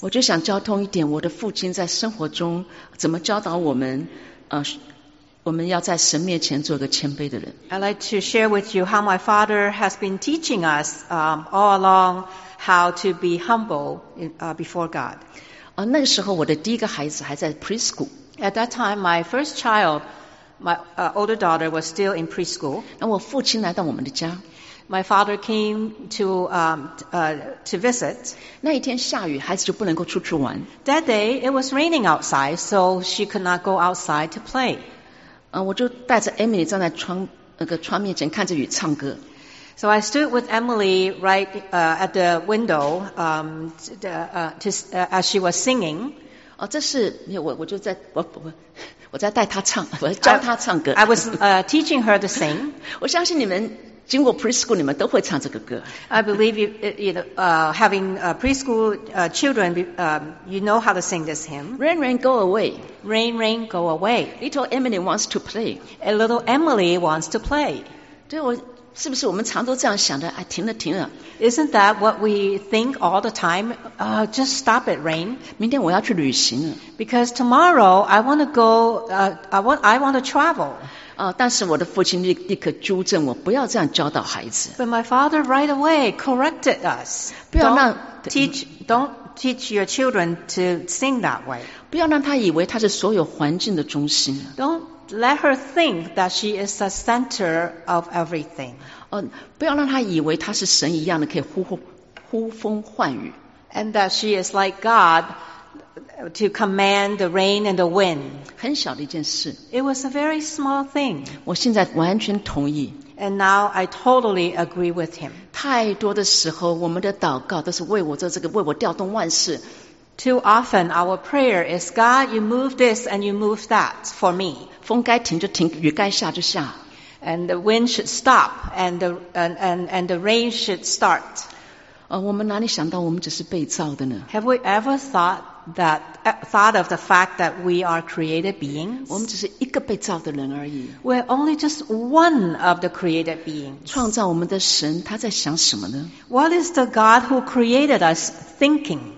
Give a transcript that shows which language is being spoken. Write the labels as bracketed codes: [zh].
[zh] 我就想交通一点，我的父亲在生活中怎么教导我们，我们要在神面前做一个谦卑的人。 [en] I'd like to share with you how my father has been teaching us all along how to be humble before God. [zh] 那个时候我的第一个孩子还在 preschool. [en] At that time, my first child. My older daughter was still in preschool. [zh] 那我父亲来到我们的家。 [en] My father came to visit. [zh] 那一天下雨，孩子就不能够出去玩。 [en] That day it was raining outside, so she could not go outside to play. [zh] 我就带着 Emily 站在窗面前看着雨唱歌。 [en] So I stood with Emily right at the window as she was singing. [zh] 这是我就在我在带她唱，我在教她唱歌。 [en] I was teaching her to sing. [zh] 我相信你们经过 preschool， 你们都会唱这个歌。 [en] I believe having preschool children, you know how to sing this hymn. Rain, rain, go away. Rain, rain, go away. Little Emily wants to play. A little Emily wants to play. [zh] 对，我是不是我们常都这样想的？哎，停了，停了。 [en] Isn't that what we think all the time? Just stop it, rain. [zh] 明天我要去旅行了。 [en] Because tomorrow I want to go. I want to travel. [zh] 但是我的父亲立刻纠正我，不要这样教导孩子。 [en] But my father right away corrected us. [zh] 不要让 [en] Don't teach your children to sing that way. [zh] 不要让他以为他是所有环境的中心。 [en] Don't let her think that she is the center of everything. [zh] 不要让她以为她是神一样的可以呼风唤雨。 [en] And that she is like God to command the rain and the wind. [zh] 很小的一件事。 [en] It was a very small thing. [zh] 我现在完全同意。 [en] And now I totally agree with him. [zh] 太多的时候我们的祷告都是为我做这个，为我调动万事。 [en] Too often our prayer is, God, you move this and you move that for me. [zh] 风该停就停，雨该下就下。 [en] And the wind should stop and the rain should start. [zh] 我们哪里想到我们只是被造的呢？ [en] Have we ever thought of the fact that we are created beings? [zh] 我们只是一个被造的人而已。 [en] We're only just one of the created beings. [zh] 创造我们的神，他在想什么呢？ [en] What is the God who created us thinking?